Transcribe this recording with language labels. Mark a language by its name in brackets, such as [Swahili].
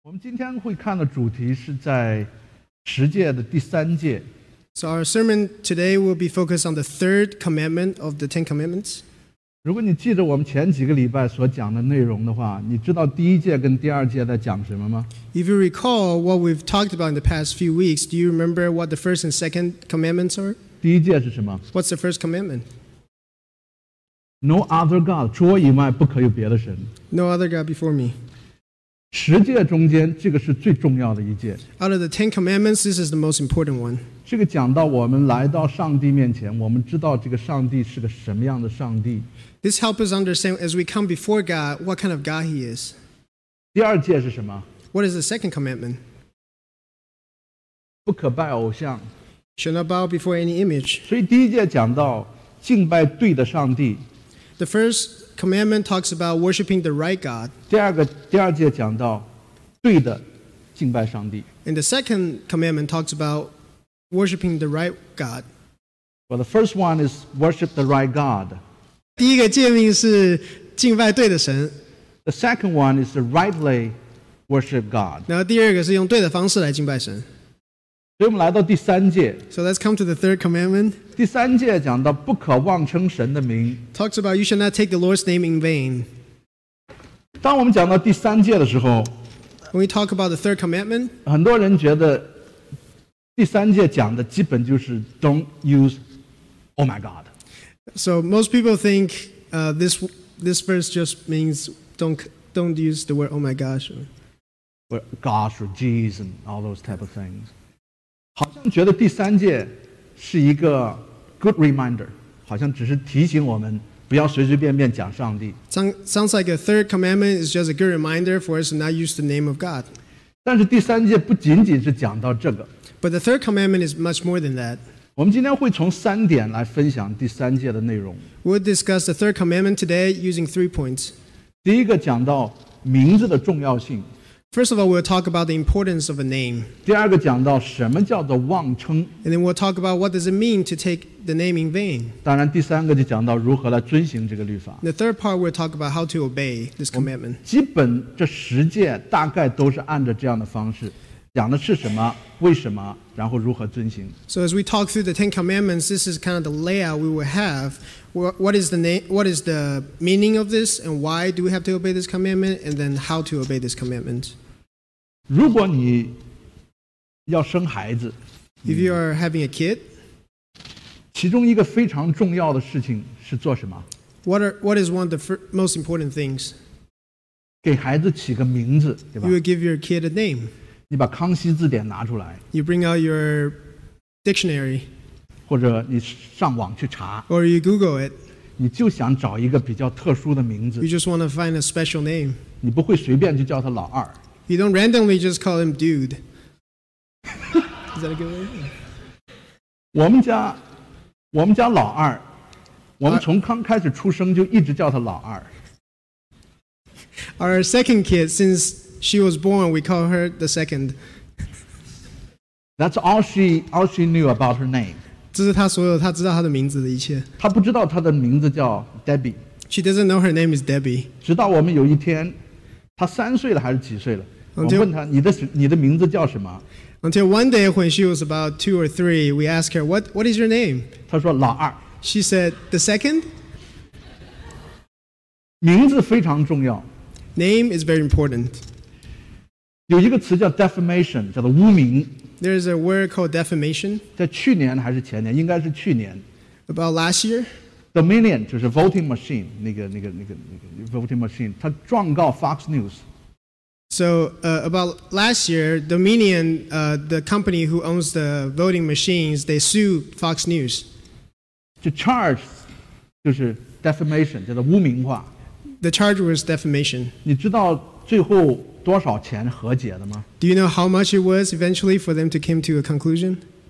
[Chinese] 我们今天会看的主题是在十诫的第三诫。 [English] So our sermon today will be focused on the third commandment of the Ten Commandments. [Chinese] 如果你记得我们前几个礼拜所讲的内容的话，你知道第一诫跟第二诫在讲什么吗？ [English] If you recall what we've talked about in the past few weeks, do you remember what the first and second commandments are? [Chinese] 第一诫是什么？ [English] What's the first commandment? No other God, [Chinese] 除我以外不可有别的神。 [English] No other God before me. [Chinese] 十诫中间，这个是最重要的一诫。 [English] Out of the Ten Commandments, this is the most important one. [Chinese] 这个讲到我们来到上帝面前，我们知道这个上帝是个什么样的上帝。 [English] This helps us understand as we come before God, what kind of God he is. [Chinese] 第二诫是什么？ [English] What is the second commandment? [Chinese] 不可拜偶像。 [English] Shall not bow before any image. [Chinese] 所以第一诫讲到敬拜对的上帝。 [English] The first commandment talks about worshiping the right God. [Chinese] 第二节讲到对的敬拜上帝。 [English] And the second commandment talks about worshiping the right God. Well, the first one is worship the right God. [Chinese] 第一个诫命是敬拜对的神。 [English] The second one is to rightly worship God. [Chinese] 然后第二个是用对的方式来敬拜神。所以我们来到第三诫。 [English] So let's come to the third commandment. [Chinese] 第三诫讲到不可妄称神的名。 [English] Talks about you shall not take the Lord's name in vain. [Chinese] 当我们讲到第三诫的时候， [English] When we talk about the third commandment, [Chinese] 很多人觉得第三诫讲的基本就是 [English] don't use oh my God. So most people think this verse just means don't use the word oh my gosh. Or gosh or geez and all those type of things. [Chinese] 好像觉得第三诫是一个 [English] good reminder， [Chinese] 好像只是提醒我们不要随随便便讲上帝。 [English] Sounds like a third commandment is just a good reminder for us to not use the name of God. [Chinese] 但是第三诫不仅仅是讲到这个。 [English] But the third commandment is much more than that. [Chinese] 我们今天会从三点来分享第三诫的内容。 [English] We'll discuss the third commandment today using three points. [Chinese] 第一个讲到名字的重要性。 [English] First of all, we'll talk about the importance of a name. [Chinese] 第二个讲到什么叫做妄称。 [English] And then we'll talk about what does it mean to take the name in vain. [Chinese] 当然第三个就讲到如何来遵行这个律法。 [English] The third part, we'll talk about how to obey this commandment. [Chinese] 基本这十诫大概都是按着这样的方式，讲的是什么，为什么，然后如何遵行。 [English] So as we talk through the Ten Commandments, this is kind of the layout we will have. What is the meaning of this, and why do we have to obey this commandment, and then how to obey this commandment? [Chinese] 如果你要生孩子 [English] If you are having a kid [Chinese] 其中一个非常重要的事情是做什么 [English] What is one of the most important things [Chinese] 给孩子起个名字对吧 [English] You will give your kid a name [Chinese] 你把康熙字典拿出来 [English] You bring out your dictionary [Chinese] 或者你上网去查 [English] Or you Google it [Chinese] 你就想找一个比较特殊的名字 [English] You just want to find a special name [Chinese] 你不会随便就叫他老二 [English] You don't randomly just call him dude. Is that a good word? [Chinese] 我们家老二，我们从刚开始出生就一直叫他老二。 [English] Our second kid, since she was born, we call her the second. That's all she knew about her name. [Chinese] 这是她所有她知道她的名字的一切。她不知道她的名字叫 Debbie. [English] She doesn't know her name is Debbie. [Chinese] 直到我们有一天，她三岁了还是几岁了？ [English] Until, [Chinese] 我问他你的名字叫什么 [English] Until one day when she was about two or three, we asked her, what is your name? [Chinese] 她说老二 [English] She said, the second? [Chinese] 名字非常重要 [English] Name is very important. [Chinese] 有一个词叫 defamation, 叫做污名 [English] There is a word called defamation. [Chinese] 在去年还是前年应该是去年 [English] About last year? [Chinese] Dominion, 就是 voting machine, 那个 voting machine, 他状告 Fox News. [English] So, about last year, Dominion, the company who owns the voting machines, they sued Fox News. The charge [Chinese] 就是 defamation, 叫做污名化。 [English] The charge was defamation. [Chinese] 你知道最后多少钱和解的吗？ [English] Do you know how much it was eventually for them to come to a conclusion?